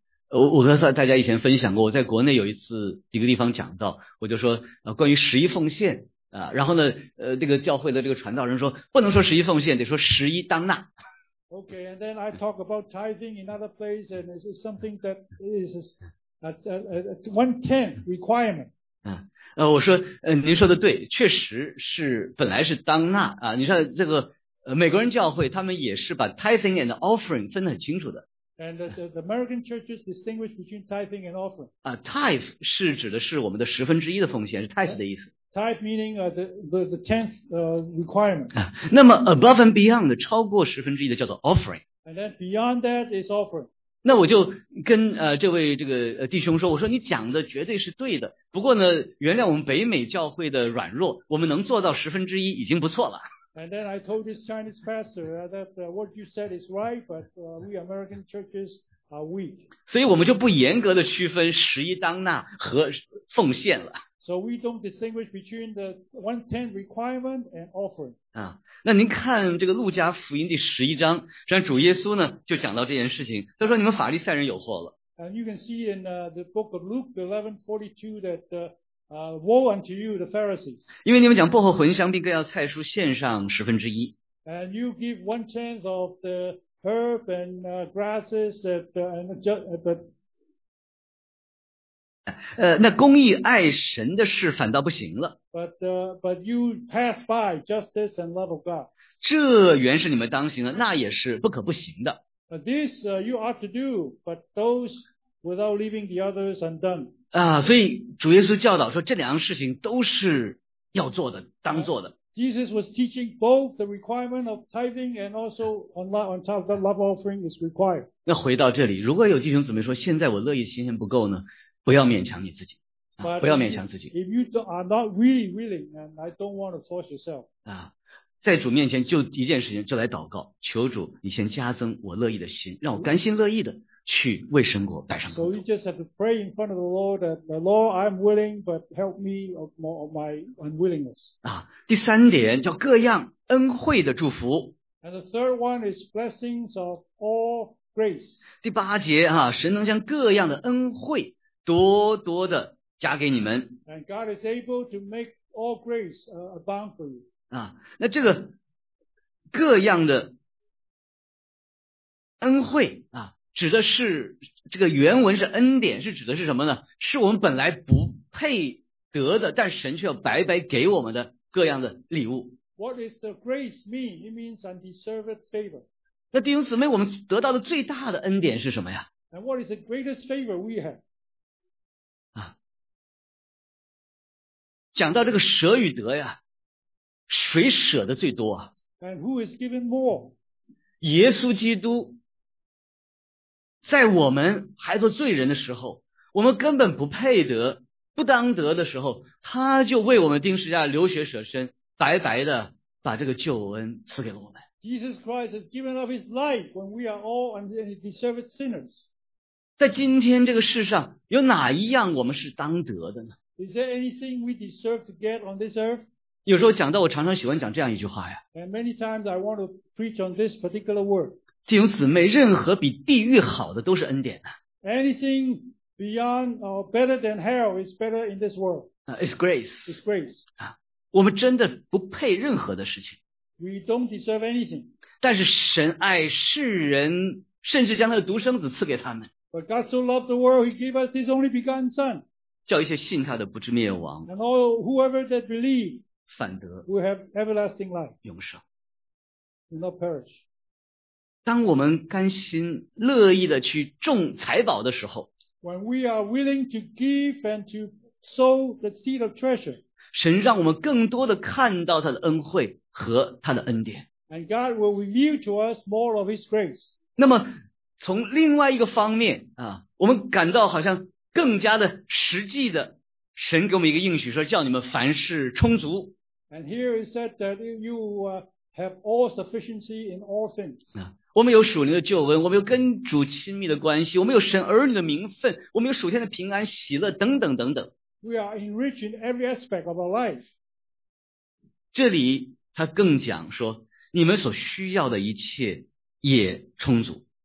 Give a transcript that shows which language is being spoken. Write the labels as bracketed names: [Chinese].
[Chinese] 我和大家以前分享过我在国内有一次一个地方讲到我就说关于十一奉献然后呢这个教会的这个传道人说不能说十一奉献得说十一当纳。 [English] Okay, and then I talk about tithing in other place, and this is something that is a one-tenth requirement. [Chinese] 我说您说的对确实是本来是当纳你说这个美国人教会他们也是把 [English] tithing and offering [Chinese] 分得很清楚的。 [English] And the American churches distinguish between tithing and offering. [Chinese] Tithe 是指的是我们的十分之一的奉献是 tithe 的意思。 [English] Type meaning the tenth requirement. [Chinese] 那么 [English] above and beyond [Chinese] 的超过十分之一的叫做 offering. [English] And then beyond that is offering. [Chinese] 那我就跟这位这个弟兄说，我说你讲的绝对是对的。不过呢，原谅我们北美教会的软弱，我们能做到十分之一已经不错了。 [English] And then I told this Chinese pastor that what you said is right, but we American churches. Weak. [Chinese] 所以我们就不严格的区分十一当纳和奉献了。 [English] So we don't distinguish between the one-tenth requirement and offering. [Chinese] 那您看这个路加福音第十一章，实际上主耶稣呢就讲到这件事情，他说你们法利赛人有祸了。 [English] And you can see in the book of Luke 11:42 that woe unto you, the Pharisees. [Chinese] 因为你们讲薄荷茴香并各样菜蔬献上十分之一。 [English] And you give one-tenth of the herb and grasses but [Chinese] 那公义爱神的事反倒不行了。 [English] But you pass by justice and love of God. [Chinese] 这原是你们当行的，那也是不可不行的。 [English] But this you ought to do, but those without leaving the others undone. [Chinese] 啊，所以主耶稣教导说，这两样事情都是要做的，当做的。 [English] Jesus was teaching both the requirement of tithing and also on top of the love offering is required. [Chinese] 那回到这里，如果有弟兄姊妹说，现在我乐意心情不够呢，不要勉强你自己。 [English] But、 [Chinese] 不要勉强自己。 [English] If you are not really willing, and I don't want to force yourself. [Chinese] 啊，在主面前就一件事情，就来祷告，求主你先加增我乐意的心，让我甘心乐意的去为神国摆上工作。 [English] So you just have to pray in front of the Lord that the Lord, I'm willing, but help me of more of my unwillingness. [Chinese] 啊，第三点叫各样恩惠的祝福。 [English] And the third one is blessings of all grace. [Chinese] 第八节啊，神能将各样的恩惠多多的。加给你们。 [English] And God is able to make all grace abound for you. [Chinese] 啊，那这个各样的恩惠啊，指的是这个原文是恩典，是指的是什么呢？是我们本来不配得的，但神却要白白给我们的各样的礼物。 [English] What does the grace mean? It means undeserved favor. [Chinese] 那弟兄姊妹，我们得到的最大的恩典是什么呀？ [English] And what is the greatest favor we have? [Chinese] 讲到这个舍与得呀，谁舍得最多啊？ [English] And who is given more? [Chinese] 耶稣基督在我们还做罪人的时候，我们根本不配得、不当得的时候，他就为我们钉十字架流血舍身，白白的把这个救恩赐给了我们。 [English] Jesus Christ has given up his life when we are all undeserved sinners. [Chinese] 在今天这个世上，有哪一样我们是当得的呢？ [English] Is there anything we deserve to get on this earth? [Chinese] 有时候讲到我常常喜欢讲这样一句话呀。 [English] And many times I want to preach on this particular word. [Chinese] 弟兄姊妹，任何比地狱好的都是恩典啊。 [English] Anything beyond or better than hell is better in this world. It's grace. It's grace. [Chinese] 啊，我们真的不配任何的事情。 [English] We don't deserve anything. [Chinese] 但是神爱世人，甚至将他的独生子赐给他们。 [English] But God so loved the world, he gave us his only begotten son. [Chinese] 叫一些信他的不至灭亡， [English] and all whoever that believes, [Chinese] 反得 [English] will have everlasting life, [Chinese] 永生， [English] will not perish. [Chinese] 当我们甘心乐意的去种财宝的时候， [English] when we are willing to give and to sow the seed of treasure, [Chinese] 神让我们更多的看到他的恩惠和他的恩典， [English] and God will reveal to us more of his grace. [Chinese] 那么从另外一个方面啊，我们感到好像更加的实际的，神给我们一个应许，说叫你们凡事充足。 [English] And here it said that you have all sufficiency in all things. [Chinese] 我们有属灵的救恩，我们有跟主亲密的关系，我们有神儿女的名分，我们有属天的平安、喜乐等等等等。 [English] We are enriched in every aspect of our life. [Chinese] 这里他更讲说，你们所需要的一切也充足。